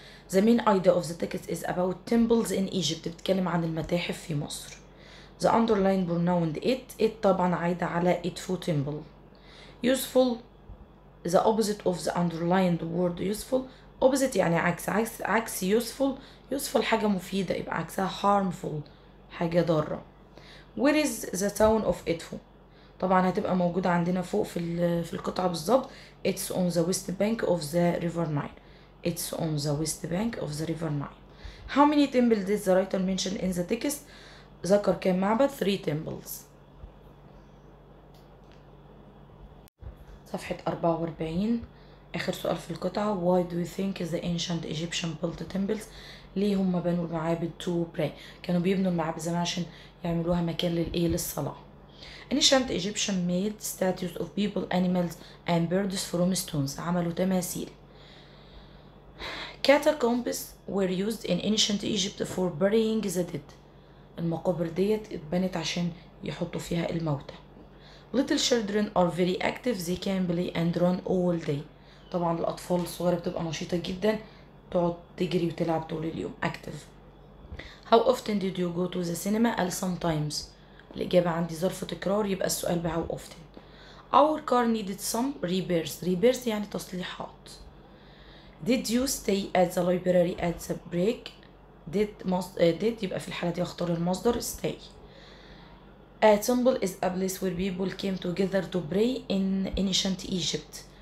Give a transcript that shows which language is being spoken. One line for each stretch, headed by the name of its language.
English: The main idea of the text is about temples in Egypt.
Arabic: بتتكلم عن المتاحف في مصر.
English: The underlined pronoun it.
Arabic: It طبعا عايدة على إدفو temple.
English: Useful. The opposite of the underlined word useful. Opposite
Arabic: يعني عكس. عكس
English: useful.
Arabic: Useful حاجة مفيدة يبقى عكسها harmful. حاجة ضارة.
English: Where is the town of Edfu؟
Arabic: طبعا هتبقى موجودة عندنا فوق في القطعة بالضبط.
English: It's on the west bank of the river Nile. It's on the west bank of the river Nile. How many temples did the writer mention in the text؟
Arabic: ذكر كم معبد؟
English: 3 temples.
Arabic: صفحة 44 آخر سؤال في القطعة.
English: Why do you think the ancient Egyptian built temples؟
Arabic: ليه هم بنوا المعابد
English: to pray؟
Arabic: كانوا بيبنوا المعابد زمان عشان يعملوها مكان للإيه؟ للصلاة.
English: Ancient Egyptian made statues of people, animals and birds from stones.
Arabic: عملوا تماثيل.
English: Catacombs were used in ancient Egypt for burying the dead.
Arabic: المقابر ديت اتبنت عشان يحطوا فيها الموتى.
English: Little children are very active. They can play and run all day.
Arabic: طبعا الأطفال الصغيرة بتبقى نشيطة جدا. تقعد تجري وتلعب طول اليوم.
English: Active. How often did you go to the cinema? I'll sometimes.
Arabic: الإجابة عندي ظرف تكرار يبقى السؤال بـ
English: how often. Our car needed some repairs. Repairs
Arabic: يعني تصليحات.
English: Did you stay at the library at the break?
Arabic: Did يبقى في الحالة دي اختار المصدر stay.
English: A temple is a place where people came together to pray in ancient Egypt.